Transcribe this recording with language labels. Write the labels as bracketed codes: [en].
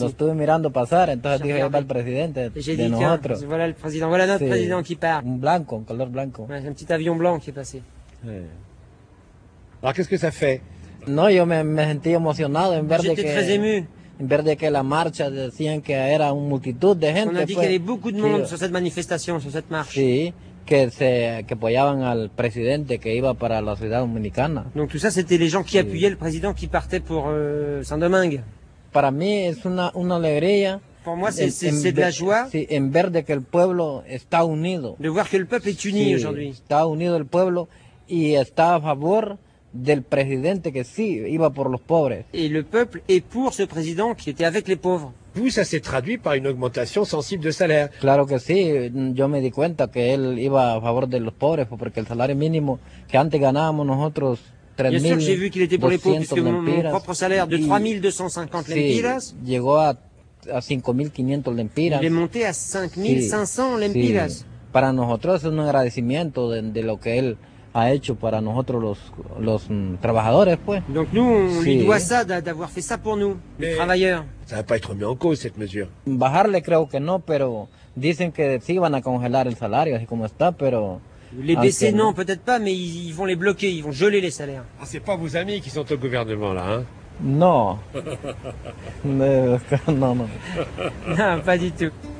[es] Lo estuve mirando pasar, entonces dije, va el presidente. [fr] J'ai dit, tiens, voilà le président, voilà notre président qui part. [es] Un blanco, un color blanco. [fr] Ouais, un petit avion blanc qui est passé. Alors, qu'est-ce que ça fait? [es] No, yo me sentí emocionado en ver de que la marcha decían que era una multitud de gente. [fr] On a dit qu'il y avait beaucoup de monde sur cette manifestation, sur cette marche. [es] Sí, que apoyaban al presidente que iba para la ciudad dominicana. [fr] Donc tout ça, c'était les gens qui appuyaient le président qui partait pour Saint-Domingue. [es] Para mí es una alegría. [fr] Pour moi, c'est de la joie. [es] Sí, en ver de que el pueblo está unido. [fr] De voir que le peuple est uni, [es] sí, [fr] aujourd'hui. [es] Está unido el pueblo y está a favor del presidente que sí iba por los pobres. [fr] Et le peuple est pour ce président qui était avec les pauvres. Tout ça s'est traduit par une augmentation sensible de salaire. [es] Claro que sí, yo me di cuenta que él iba a favor de los pobres porque el salario mínimo que antes ganábamos nosotros. [fr] Bien sûr que j'ai vu qu'il était pour les pauvres, puisque mon propre salaire de 3250 lempiras, il est monté à 5500 lempiras. [es] Para nosotros es un agradecimiento de lo que él ha hecho para nosotros los trabajadores, pues. [fr] Donc nous, on lui doit ça, d'avoir fait ça pour nous, les travailleurs. Ça va pas être mis en cause, cette mesure. [es] Bajarle, creo que no, pero dicen que sí van a congelar el salario, así como está, pero... [fr] Les baisser, non, peut-être pas, mais ils vont les bloquer, ils vont geler les salaires. Ah, c'est pas vos amis qui sont au gouvernement, là, hein? Non. Non. Non, pas du tout.